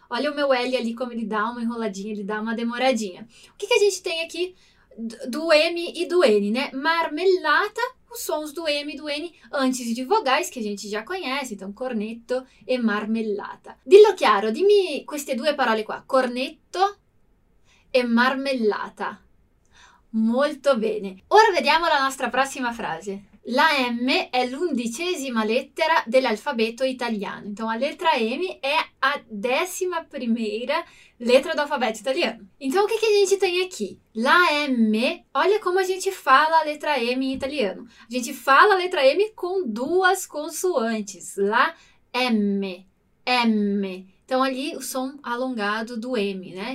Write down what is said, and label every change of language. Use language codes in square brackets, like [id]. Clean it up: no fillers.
[pt] Olha o meu L ali como ele dà uma enroladinha, ele dà uma demoradinha. O que que a gente tem aqui do M e do N, né? Marmellata, os sons do M e do N antes de vogais que a gente já conhece, então cornetto e marmellata. [it] Dillo chiaro, dimmi queste due parole qua, cornetto e marmellata. Molto bene. Ora vediamo la nostra prossima frase. La M è l'undicesima lettera dell'alfabeto italiano. [pt] Então, a letra M è a decima primeira letra do alfabeto italiano. Então, o que que a gente tem aqui? La M, olha como a gente fala a letra M em italiano. A gente fala a letra M com duas consoantes. La M, M. Então, ali o som alongado do M, né?